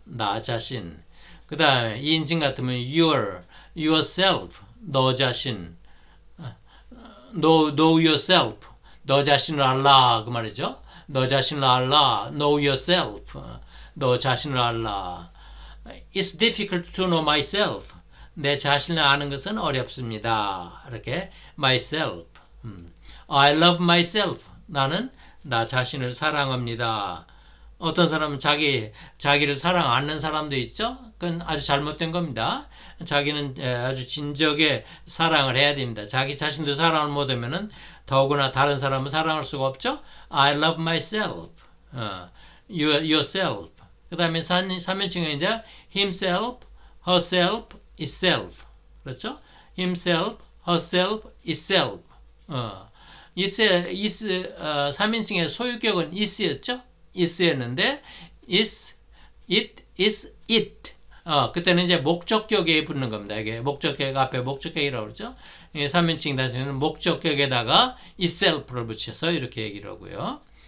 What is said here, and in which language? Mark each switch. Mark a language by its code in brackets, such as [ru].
[ko] 나 자신 그 다음에 2인칭 같으면 your, yourself, 너 자신, [en] know yourself, [ko] 너 자신을 알라 그 말이죠. 너 자신을 알라, [en] know yourself, [ko] 너 자신을 알라. [en] It's difficult to know myself. [ko] 내 자신을 아는 것은 어렵습니다. [en] 이렇게 myself. I love myself. [ko] 나는 나 자신을 사랑합니다. 어떤 사람은 자기를 사랑 않는 사람도 있죠. 그건 아주 잘못된 겁니다. 자기는 아주 진적에 사랑을 해야 됩니다. 자기 자신도 사랑을 못하면은 더구나 다른 사람을 사랑할 수가 없죠. [en] I love myself. Yourself. [ko] 그 다음에 3인칭은 이제 himself, herself, itself. 그렇죠? [en] Himself, herself, itself. [ko] Is 3인칭의 소유격은 is였죠? [en] is였는데 is, it, is, it. [ko] 그때는 이제 목적격에 붙는 겁니다. 이게 목적격 앞에 목적격이라고 그러죠. 이게 3인칭 다시는 목적격에다가 itself를 붙여서 이렇게 얘기를 하고요.